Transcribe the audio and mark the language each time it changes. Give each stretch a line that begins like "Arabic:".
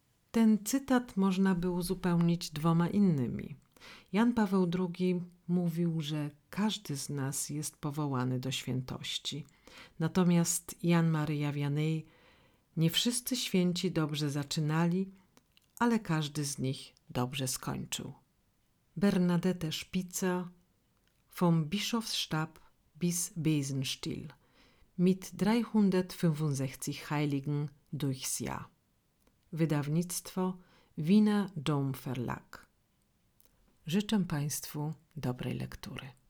Polish: Ten cytat można by uzupełnić dwoma innymi. Jan Paweł II mówił, że każdy z nas jest powołany do świętości. Natomiast Jan Maria Vianney: nie wszyscy święci dobrze zaczynali, ale każdy z nich dobrze skończył.
German: Bernadette Spica, vom Bischofsstab bis Besenstiel, mit 365 Heiligen durchs Jahr.
Polish: Wydawnictwo
German: Wiener Dom Verlag.
Polish: Życzę Państwu dobrej lektury.